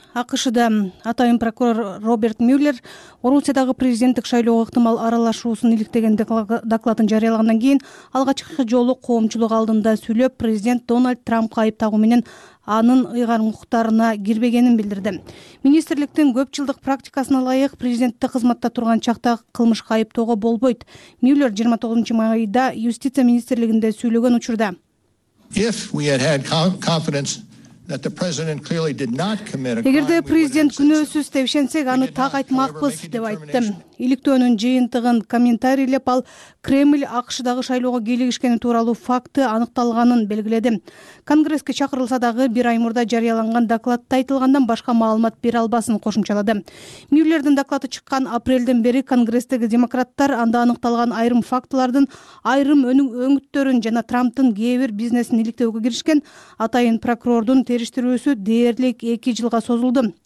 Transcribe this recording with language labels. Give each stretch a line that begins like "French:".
Kyrgyz: АКШда атайын прокурор Роберт Мюллер Орусиядагы президенттик шайлоого ыктымал аралашуусун иликтеген докладын жарыялагандан кийин алгачкы жолу коомчулук алдында сүйлөп, президент Дональд Трампка айып тагуу менен анын ыйгарым укуктарына кирбегенин билдирди. Министрликтин көп жылдык практикасына ылайык президенттик кызматта турган чакта кылмышка айыптоого болбойт. Мюллер 29 майда юстиция министрлигинде сүйлөгөн учурда:
English: If we had had confidence that the president clearly did not commit a crime.
Kyrgyz: Эгерде президент күнөөсүз деп ишенсек, аны так айтмакпыз деп айттым. Иликтөөнүн жыйынтыгын комментарийлеп ал Кремль АКШдагы шайлоого келигишкени тууралуу факты аныкталганын белгиледи. Конгресске чакырылса дагы бир ай мурда жарыяланган докладта айтылгандан башка маалымат бере албасын кошумчалады. Мюллердин доклады чыккан апрелден бери Конгресстеги демократтар анда аныкталган айрым фактылардын айрым өңүттөрүн жана Трамптын кээ бир бизнесин иликтөөгө киришкен атайын прокурордун териштирүүсү дээрлик 2 жылга созулду.